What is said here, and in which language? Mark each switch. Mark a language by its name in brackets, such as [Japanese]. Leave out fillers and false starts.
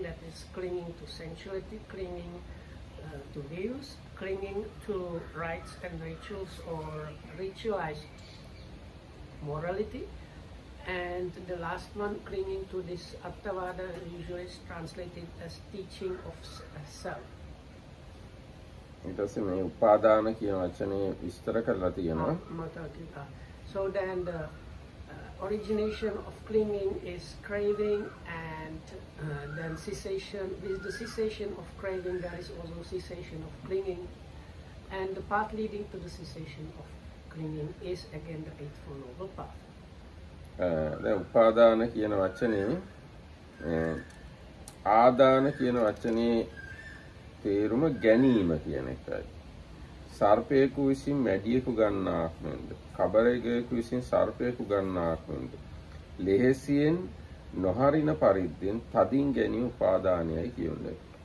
[English] That is clinging to sensuality, clinging to views, clinging to rites and rituals or ritualized morality. And the last one, clinging to this attavada, usually is translated as teaching of self. [Sinhala] ඊටසේ මේ උපාදාන කියන වචනේ විස්තර කරලා තියෙනවා. මතකද? [English] So then the origination of clinging is craving, and then cessation is the cessation of craving. There is also cessation of clinging, and the path leading to the cessation of clinging is again the Eightfold Noble Path. [Sinhala] දැන් උපාදාන කියන වචනේ ආදාන කියන වචනේ තේරුම ගැනීම කියන එකයි. සර්පයෙකු විසින් මැඩියෙකු ගන්නාක් මෙන්ද, කබරෙකු විසින් සර්පයෙකු ගන්නාක් මෙන්ද, ලෙහෙසියෙන් නොහරින පරිද්දෙන් තදින් ගැනීම උපාදානයයි කියන්නේ.